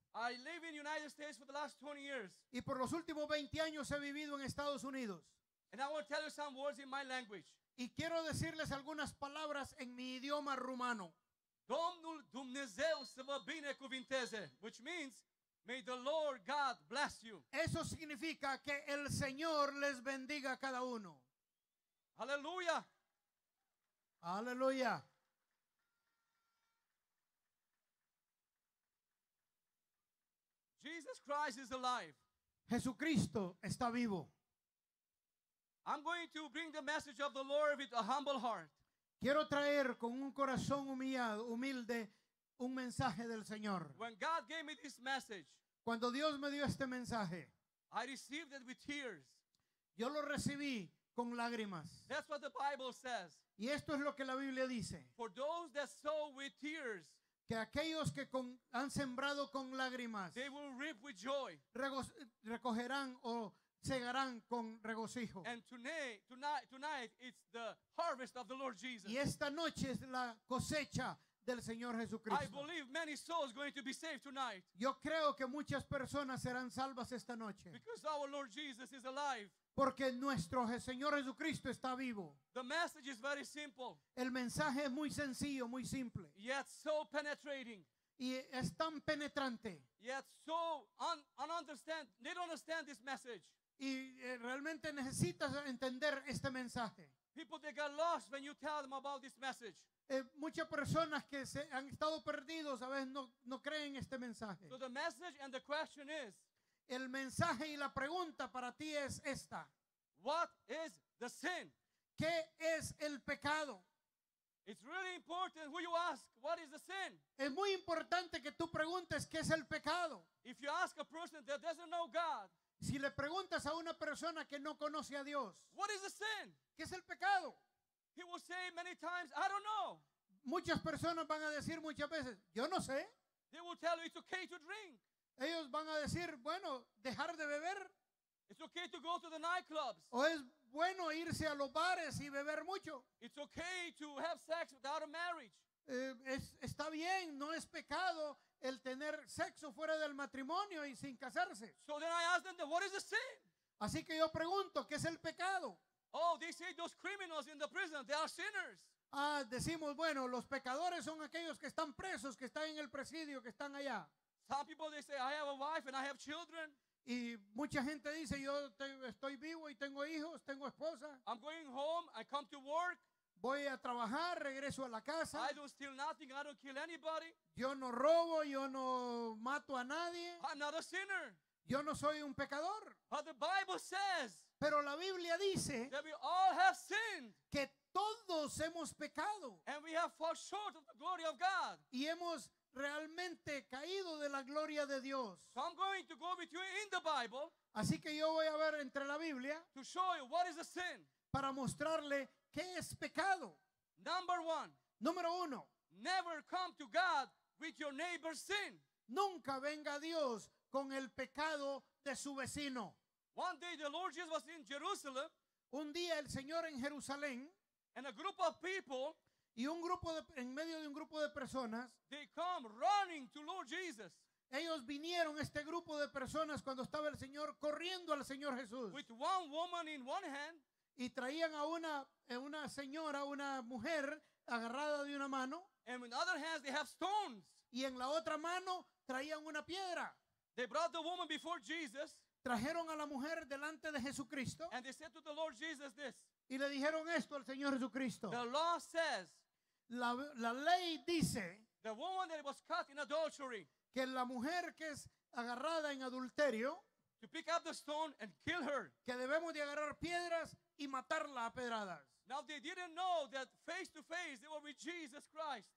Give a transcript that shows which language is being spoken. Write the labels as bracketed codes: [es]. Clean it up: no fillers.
[en] I live in the United States for the last 20 years. [es] Y por los últimos 20 años he vivido en Estados Unidos. [en] And I want to tell you some words in my language. [es] Y quiero decirles algunas palabras en mi idioma rumano. [ro] Domnul Dumnezeu să vă binecuvinteze, [en] which means, may the Lord God bless you. [es] Eso significa que el Señor les bendiga a cada uno. Aleluya. Aleluya. [en] Jesus Christ is alive. [es] Jesucristo está vivo. [en] I'm going to bring the message of the Lord with a humble heart. [es] Quiero traer con un corazón humilde un mensaje del Señor. [en] When God gave me this message, [es] cuando Dios me dio este mensaje, [en] I received it with tears. [es] Yo lo recibí con lágrimas. [en] That's what the Bible says. [es] Y esto es lo que la Biblia dice. [en] For those that sow with tears, [es] que aquellos que han sembrado con lágrimas, [en] they will reap with joy. [es] Recogerán o segarán con regocijo. [en] And tonight it's the harvest of the Lord Jesus. [es] Y esta noche es la cosecha del Señor Jesucristo. [en] I believe many souls going to be saved tonight. [es] Yo creo que muchas personas serán salvas esta noche. [en] Because our Lord Jesus is alive. [es] Porque nuestro Señor Jesucristo está vivo. [en] The message is very simple. [es] El mensaje es muy sencillo, muy simple. [en] Yet so penetrating. [es] Y es tan penetrante. [en] Yet so un-understand. They don't understand this message. [es] Y realmente necesitas entender este mensaje. [en] People, they got lost when you tell them about this message. [es] Muchas personas que se han estado perdidos a veces no creen este mensaje. [en] So the message and the question is, [es] el mensaje y la pregunta para ti es esta. [en] What is the sin? [es] ¿Qué es el pecado? [en] It's really important who you ask, what is the sin? [es] Es muy importante que tú preguntes qué es el pecado. [en] If you ask a person that doesn't know God, [es] si le preguntas a una persona que no conoce a Dios, [en] what is the sin? [es] ¿Qué es el pecado? [en] He will say many times, I don't know. [es] Muchas personas van a decir muchas veces, yo no sé. [en] They will tell you it's okay to drink. [es] Ellos van a decir, bueno, dejar de beber. [en] It's okay to go to the nightclubs. [es] O es bueno irse a los bares y beber mucho. [en] It's okay to have sex without a marriage. [es] Está bien, no es pecado el tener sexo fuera del matrimonio y sin casarse. [en] So then I ask them, what is the sin? [es] Así que yo pregunto, ¿qué es el pecado? [en] Oh, they say those criminals in the prison, they are sinners. [es] Ah, decimos, bueno, los pecadores son aquellos que están presos, que están en el presidio, que están allá. [en] Some people, they say, I have a wife and I have children. [es] Y mucha gente dice, yo estoy vivo y tengo hijos, tengo esposa. [en] I'm going home, I come to work. [es] Voy a trabajar, regreso a la casa. [en] I don't steal nothing, I don't kill anybody. [es] Yo no robo, yo no mato a nadie. [en] I'm not a sinner. [es] Yo no soy un pecador. [en] But the Bible says, [es] pero la Biblia dice, [en] that we all have sinned. [es] Que todos hemos pecado. [en] And we have fallen short of the glory of God. [es] Y hemos realmente caído de la gloria de Dios. [en] So I'm going to go with you in the Bible. [es] Así que yo voy a ver entre la Biblia. [en] To show you what is a sin. [es] Para mostrarle qué es pecado. [en] Number one. [es] Número uno. [en] Never come to God with your neighbor's sin. [es] Nunca venga Dios con el pecado de su vecino. [en] One day the Lord Jesus was in Jerusalem. [es] Un día el Señor en Jerusalén. [en] And a group of people. [es] Y un grupo de, en medio de un grupo de personas. [en] They come running to Lord Jesus. [es] Ellos vinieron, este grupo de personas, cuando estaba el Señor, corriendo al Señor Jesús. [en] With one woman in one hand. [es] Y traían a una señora, una mujer, agarrada de una mano. [en] And in other hands they have stones. [es] Y en la otra mano traían una piedra. [en] They brought the woman before Jesus. [es] Trajeron a la mujer delante de Jesucristo. [en] And they said to the Lord Jesus this. [es] Y le dijeron esto al Señor Jesucristo. [en] The law says. [es] La ley dice. [en] The woman that was caught in adultery. [es] Que la mujer que es agarrada en adulterio. [en] To pick up the stone and kill her. [es] Que debemos de agarrar piedras y matarla a pedradas. [en] Now they didn't know that face to face they were with Jesus Christ.